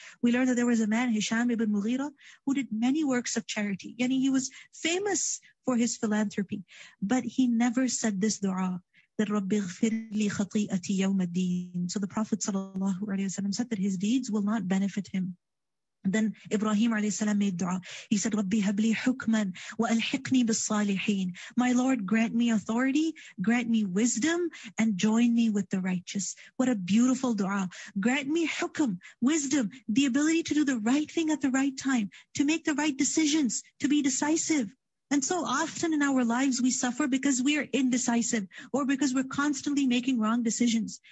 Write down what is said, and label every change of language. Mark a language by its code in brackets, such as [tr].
[en] We learned that there was a man, Hisham ibn Mughira, who did many works of charity. Yani he was famous for his philanthropy. But he never said this dua, that [ar] رَبِّ اغْفِرْ لِي خَطِيئَةِ يَوْمَ الدِّينِ. [en] So the Prophet sallallahu alayhi wa sallam said that his deeds will not benefit him. And then Ibrahim alayhi salam made dua. He said, [ar] رَبِّ هَبْ لِي حُكْمًا وَأَلْحِقْنِي بِالصَّالِحِينَ. [en] My Lord, grant me authority, grant me wisdom, and join me with the righteous. What a beautiful dua. Grant me hukm, wisdom, the ability to do the right thing at the right time, to make the right decisions, to be decisive. And so often in our lives, we suffer because we are indecisive or because we're constantly making wrong decisions.